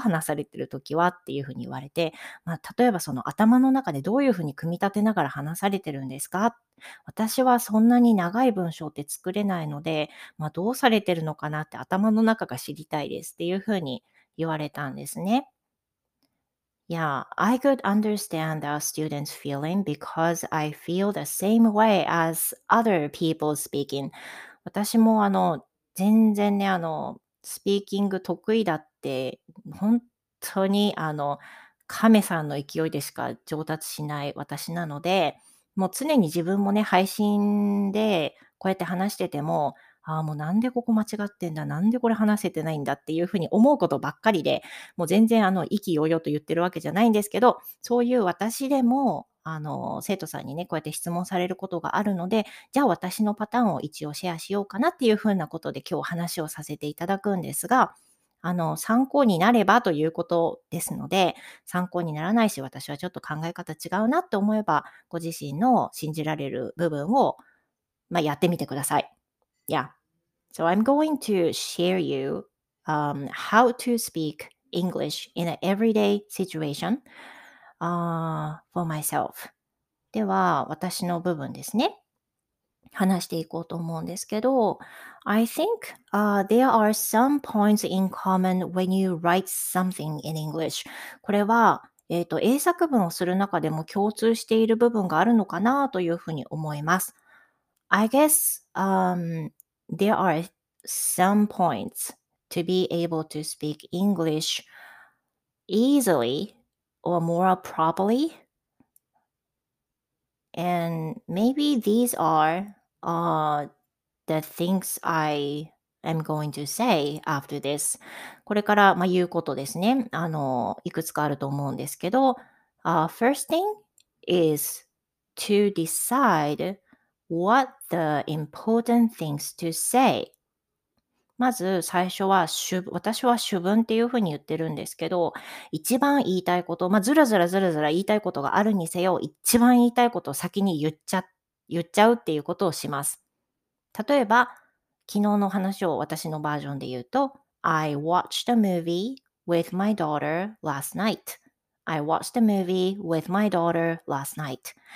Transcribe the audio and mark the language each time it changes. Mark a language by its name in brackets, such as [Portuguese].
[Japanese] 話されてるときはっていうふうに言われて、まあ、例えばその頭の中でどういうふうに組み立てながら話されてるんですか？私はそんなに長い文章って作れないので、まあ、どうされてるのかなって頭の中が知りたいですっていうふうに言われたんですね。 [English] Yeah, I could understand our students' feeling because I feel the same way as other people speaking. [Japanese] 私も全然ね、スピーキング得意だって、本当に亀さんの勢いでしか上達しない私なので、もう常に自分もね、配信でこうやって話してても、ああ、もうなんでここ間違ってんだ、なんでこれ話せてないんだっていうふうに思うことばっかりで、もう全然意気揚々と言ってるわけじゃないんですけど、そういう私でも、生徒さんにねこうやって質問されることがあるので、じゃあ私のパターンを一応シェアしようかなっていうふうなことで今日話をさせていただくんですが、参考になればということですので、参考にならないし私はちょっと考え方違うなって思えば、ご自身の信じられる部分を、まあ、やってみてください。 [English] Yeah, so I'm going to share you how to speak English in an everyday situationfor myself. [Japanese] では、私の部分ですね。話していこうと思うんですけど、 [English] I think, there are some points in common when you write something in English. [Japanese] これは、英作文をする中でも共通している部分があるのかなというふうに思います。 [English] I guess, there are some points to be able to speak English easily. Or more properly. And maybe these are the things I am going to say after this. [Japanese] これから、まあ、言うことですね。いくつかあると思うんですけど、 [English] first thing is to decide what the important things to say. [Japanese] まず最初は私は主文っていうふうに言ってるんですけど、一番言いたいこと、まあ、ずらずらずらずら言いたいことがあるにせよ、一番言いたいことを先に言っちゃうっていうことをします。例えば昨日の話を私のバージョンで言うと、 [English] I watched a movie with my daughter last night.